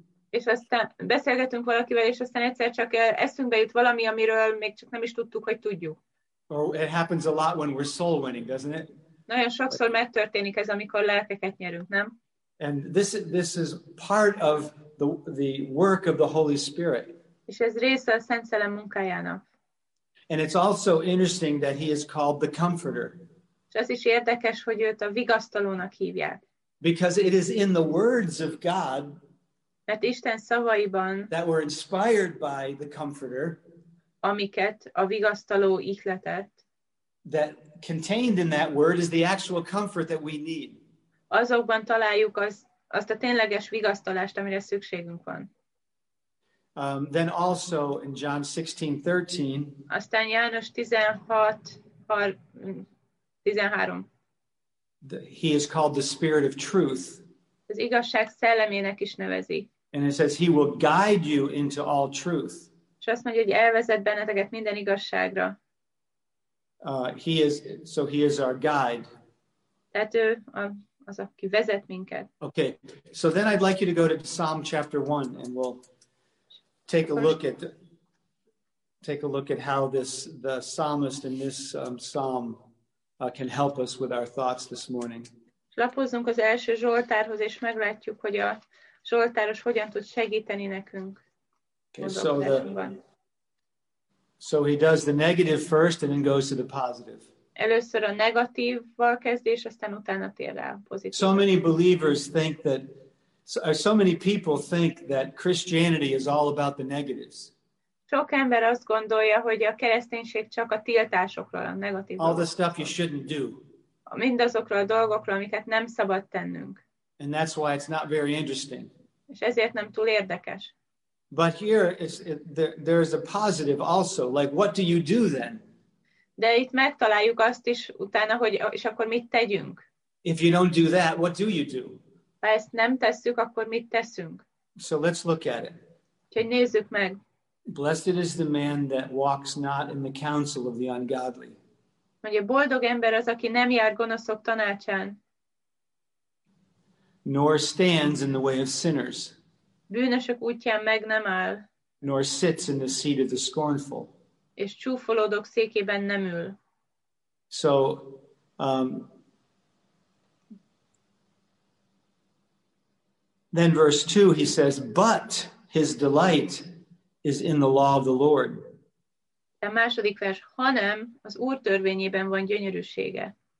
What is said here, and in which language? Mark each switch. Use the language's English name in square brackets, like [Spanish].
[Hungarian] És aztán beszélgetünk valakivel, és aztán egyszer csak eszünkbe jut valami, amiről még csak nem is tudtuk, hogy tudjuk. [English] Or it happens a lot when we're soul winning, doesn't it? [Hungarian] Nagyon sokszor megtörténik ez, amikor lelkeket nyerünk, nem? [English] And this is part of the work of the Holy Spirit. [Hungarian] És ez része a Szent Szellem munkájának. [English] And it's also interesting that he is called the Comforter. [Hungarian] És az is érdekes, hogy őt a vigasztalónak hívják. [English] Because it is in the words of God, [Hungarian] mert Isten szavaiban, [English] that were inspired by the Comforter, [Hungarian] amiket a vigasztaló ihletett, [English] that contained in that word is the actual comfort that we need. [Hungarian] Azokban találjuk azt a tényleges vigasztalást, amire szükségünk van. [English] Then also in John 16:13. [Hungarian] Aztán János 16:13. [English] He is called the Spirit of Truth. [Hungarian] Az igazság szellemének is nevezi. [English] And it says he will guide you into all truth. [Hungarian] És azt mondja, hogy elvezet benneteket minden igazságra. [English] He is our guide. [Hungarian] Tehát ő az, aki vezet minket. [English] Okay, so then I'd like you to go to Psalm chapter 1 and we'll take a look at how the psalmist in this psalm can help us with our thoughts this morning. [Hungarian] Lapozzunk az első Zsoltárhoz, és meglátjuk, hogy a Zsoltáros hogyan tud segíteni nekünk. [English] Okay, so he does the negative first and then goes to the positive. [Hungarian] Először a negatívval kezd, és aztán utána tér rá a pozitív. [English] So many people think that Christianity is all about the negatives. [Hungarian] Sok ember azt gondolja, hogy a kereszténység csak a tiltásokról, a negatív. [English] All the stuff you shouldn't do. [Hungarian] Mindazokról a dolgokról, amiket nem szabad tennünk. [English] And that's why it's not very interesting. [Hungarian] És ezért nem túl érdekes. [English] But here there's a positive also. Like, what do you do then? [Hungarian] De itt megtaláljuk azt is utána, hogy és akkor mit tegyünk? [English] If you don't do that, what do you do? [Hungarian] Ha ezt nem tesszük, akkor mit teszünk? [English] So let's look at it. [Hungarian] Úgyhogy nézzük meg. [English] Blessed is the man that walks not in the counsel of the ungodly. [Hungarian] Mondja, boldog ember az, aki nem jár gonoszok tanácsán. [English] Nor stands in the way of sinners. [Hungarian] Bűnösök útján meg nem áll. [English] Nor sits in the seat of the scornful. [Hungarian] És csúfolódók székében nem ül. [English] So, then verse 2, he says, but his delight is in the law of the Lord. [Hungarian] A második vers, hanem az Úr törvényében van gyönyörűsége.